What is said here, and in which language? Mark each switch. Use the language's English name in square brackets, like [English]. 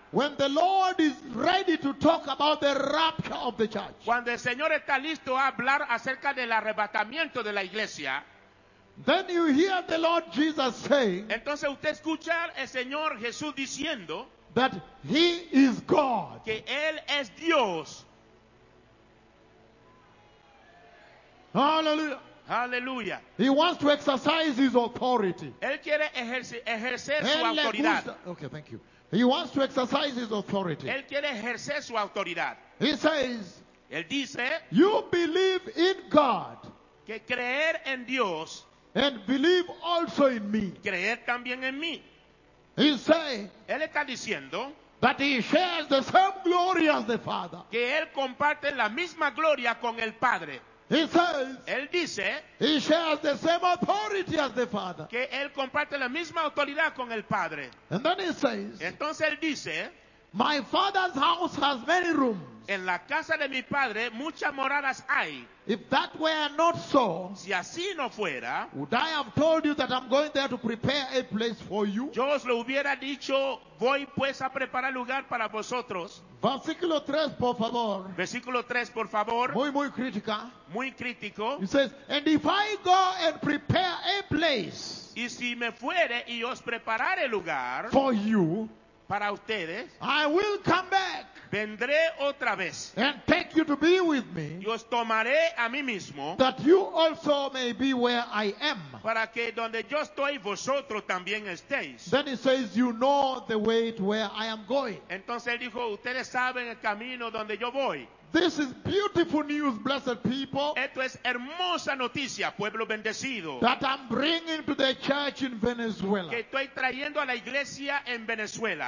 [English] when the Lord is ready to talk about the rapture of the church, [Spanish] cuando el Señor está listo a hablar acerca del arrebatamiento de la iglesia, [English] then you hear the Lord Jesus saying, [Spanish] entonces usted escucha el Señor Jesús diciendo, [English] that he is God. [Spanish] Que él es Dios. [English] Hallelujah. Hallelujah. He wants to exercise his authority. [Spanish] Él quiere ejercer su autoridad. [English] Okay, thank you. He wants to exercise his authority. [Spanish] Él quiere ejercer su autoridad. [English] He says, [Spanish] él dice, [English] you believe in God. [Spanish] Que creer en Dios. [English] And believe also in me. [Spanish] Creer también en mí. [English] He says, [Spanish] él está diciendo, [English] that he shares the same glory as the Father. [Spanish] Que él comparte la misma gloria con el Padre. [English] He says, [Spanish] él dice, [English] he shares the same authority as the Father. [Spanish] Que él comparte la misma autoridad con el Padre. [English] And then he says, [Spanish] entonces él dice, [English] my Father's house has many rooms. [Spanish] En la casa de mi Padre muchas moradas hay. [English] If that were not so, [Spanish] si así no fuera, [English] would I have told you that I'm going there to prepare a place for you? [Spanish] Yo os lo hubiera dicho, voy pues a preparar lugar para vosotros. Versículo 3, por favor. Versículo 3, por favor. Muy, muy crítica. Muy crítico. [English] He says, and if I go and prepare a place, [Spanish] y si me fuere y os prepararé lugar, [English] for you, [Spanish] para ustedes, [English] I will come back. [Spanish] Vendré otra vez. [English] And take you to be with me. [Spanish] Y os tomaré a mí mismo. [English] That you also may be where I am. [Spanish] Para que donde yo estoy, vosotros también estéis. [English] Then he says, you know the way to where I am going. [Spanish] Entonces él dijo, ustedes saben el camino donde yo voy. [English] This is beautiful news, blessed people. [Spanish] Esto es hermosa noticia, pueblo bendecido. [English] That I'm bringing to the church in Venezuela. [Spanish] Que estoy trayendo a la iglesia en Venezuela.